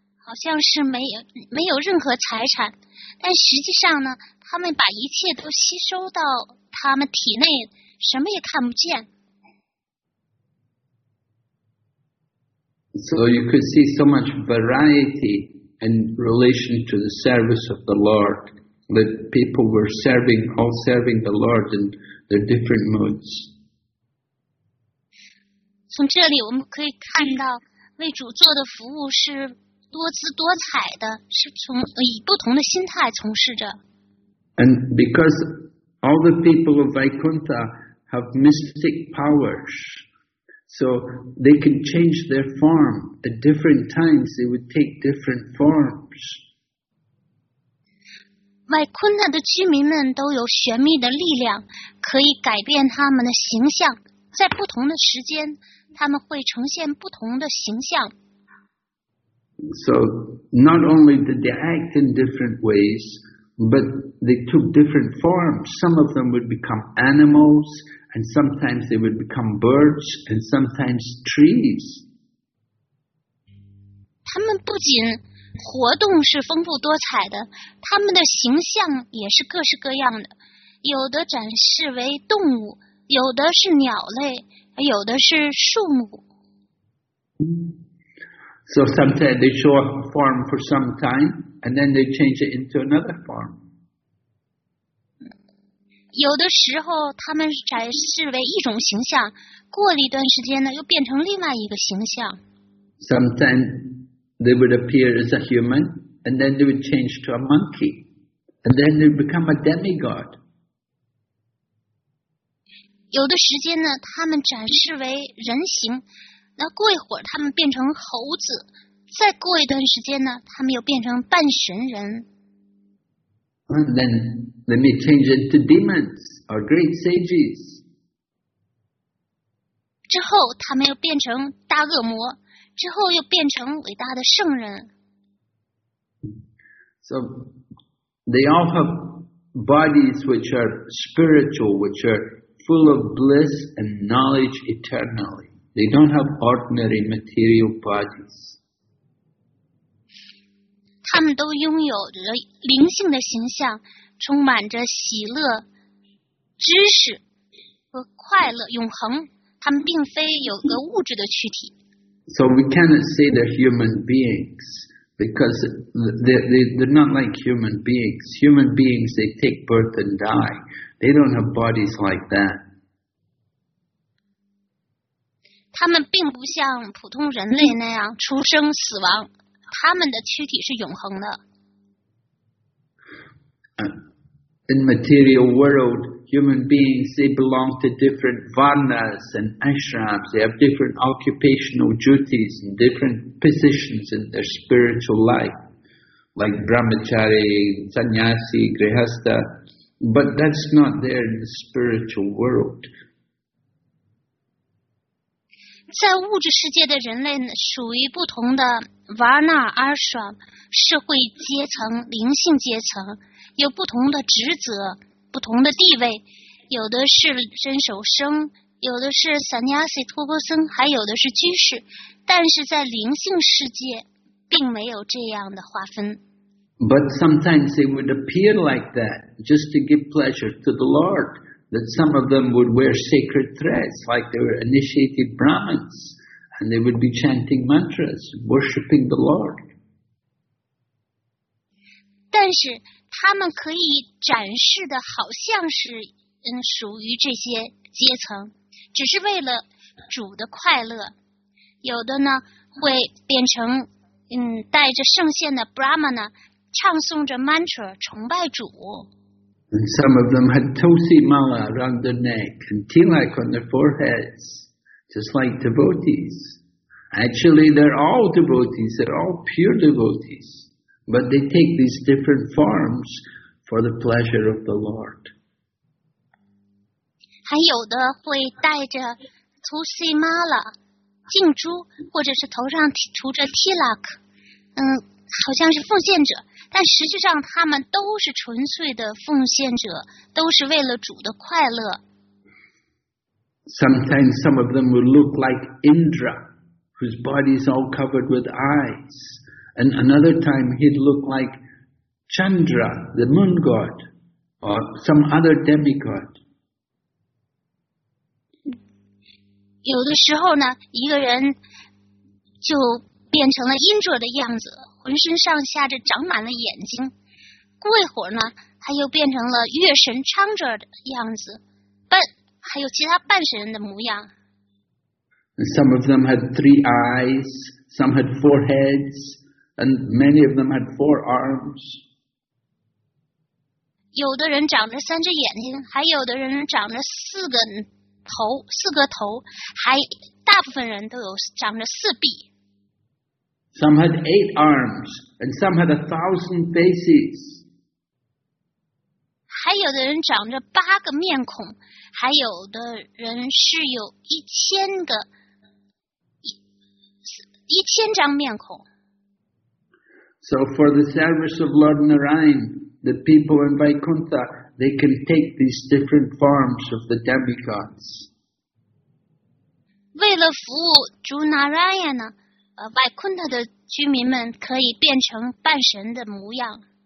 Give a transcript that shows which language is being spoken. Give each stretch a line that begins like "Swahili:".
Chinese: 好像是没有任何财产，但实际上呢，他们把一切都吸收到他们体内，什么也看不见。
English: So you could see so much variety in relation to the service of the Lord, that people were serving the Lord in their different modes.
Chinese: 从这里我们可以看到，为主做的服务是。多姿多彩的，是从以不同的心态从事着。
English: And because all the people of Vaikuntha have mystic powers, so they can change their form at different times. They would take different forms.
Chinese: Vaikuntha 的居民们都有玄秘的力量，可以改变他们的形象。在不同的时间，他们会呈现不同的形象。
English: So not only did they act in different ways, but they took different forms. Some of them would become animals, and sometimes they would become birds, and sometimes trees.
Chinese: 他们不仅活动是丰富多彩的，他们的形象也是各式各样的。有的展示为动物，有的是鸟类，有的是树木。
English: So sometimes they show a form for some time, and then they change it into another form.
Chinese: 有的时候他们展示为一种形象，过了一段时间呢，又变成另外一个形象。
English: Sometimes they would appear as a human, and then they would change to a monkey, and then they would become a demigod.
Chinese: 有的时间呢，他们展示为人形，那过一会儿他们变成猴子，再过一段时间呢，他们又变成半神人。
English: And then they may change into demons or great sages.
Chinese: 之后他们又变成大恶魔，之后又变成伟大的圣人。
English: So they all have bodies which are spiritual, which are full of bliss and knowledge eternally. They don't have ordinary material bodies.
Chinese: 他们都拥有着灵性的形象，充满着喜乐、知识和快乐、永恒。他们并非有个物质的躯体。
English: So we cannot say they're human beings, because they're not like human beings. Human beings, they take birth and die. They don't have bodies like that.
Chinese: 他们并不像普通人类那样出生死亡，他们的躯体是永恒的。
English: In material world, human beings, they belong to different varnas and ashrams. They have different occupational duties and different positions in their spiritual life, like brahmachari, sannyasi, grihastha. But that's not there in the spiritual world.
Chinese: 在物质世界的人类属于不同的 varna, ashram, 社会阶层、灵性阶层，有不同的职责、不同的地位，有的是身首生，有的是 sannyasi 托钵僧，还有的是居士。但是在灵性世界，并没有这样的划分。
English: But sometimes they would appear like that just to give pleasure to the Lord. That some of them would wear sacred threads, like they were initiated Brahmins, and they would be chanting mantras, worshipping the Lord.
Chinese: 但是他们可以展示的好像是属于这些阶层，只是为了主的快乐。有的呢会变成带着圣线的 Brahmana 唱诵着 mantra 崇拜主。
English: And some of them had Tulsi Mala around their neck and Tilak on their foreheads, just like devotees. Actually, they're all devotees, they're all pure devotees. But they take these different forms for the pleasure of the Lord.
Chinese: 还有的会带着 Tulsi Mala, 净珠，或者是头上涂着 Tilak, 好像是奉献者。但实际上他们都是纯粹的奉献者，都是为了主的快乐。
English: Sometimes some of them would look like Indra, whose body is all covered with eyes. And another time he'd look like Chandra, the moon god, or some other demigod.
Chinese: 有的时候呢，一个人就变成了 Indra 的样子。浑身上下着长满了眼睛，过一会儿呢，他又变成了月神昌哲的样子，还有其他半神人的模样。
English: Some of them had three eyes, some had four heads, and many of them had four arms.
Chinese: 有的人长着三只眼睛，还有的人长着四个头，还大部分人都有长着四臂。
English: Some had eight arms, and some had 1,000 faces.
Chinese: 还有的人长着八个面孔，还有的人是有一千张面孔。
English: So for the service of Lord Narayan, the people in Vaikuntha, they can take these different forms of the demigods.
Chinese: 为了服务主 Narayan 呢？外昆特的居民们可以变成半神的模样。